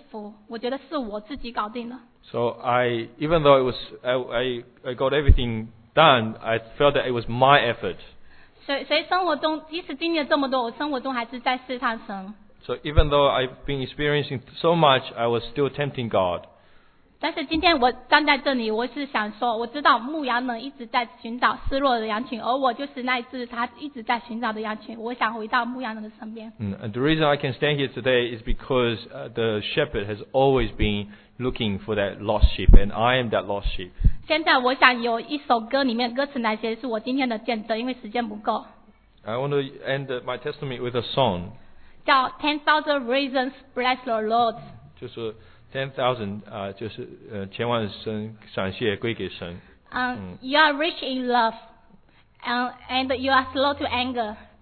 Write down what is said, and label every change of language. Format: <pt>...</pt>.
<zh>但是这两次全部都是我自己弄，但是关键是我遇到的好的移民官，所以我都觉得工作为做的99%，我觉得神做的1%，我觉得我不服，我觉得是我自己搞定了。</zh> <en>So even though it was I got everything done, I felt that it was my effort.</en> <zh>所以生活中即使经历了这么多，我生活中还是在试探神。</zh> <en>So even though I've been experiencing so much, I was still tempting God.</en> <zh>但是今天我站在这里，我是想说，我知道牧羊人一直在寻找失落的羊群，而我就是那一只他一直在寻找的羊群。我想回到牧羊人的身边。</zh> <en>And the reason I can stand here today is because the shepherd has always been looking for that lost sheep, and I am that lost sheep.</en> <zh>现在我想有一首歌里面歌词来写是我今天的见证，因为时间不够。</zh> <en>I want to end my testimony with a song.</en> <zh>叫 10,000 reasons bless the Lord. 就是 10,000就是千万声感谢归给神。</zh> <en>You are rich in love, and you are slow to anger.</en>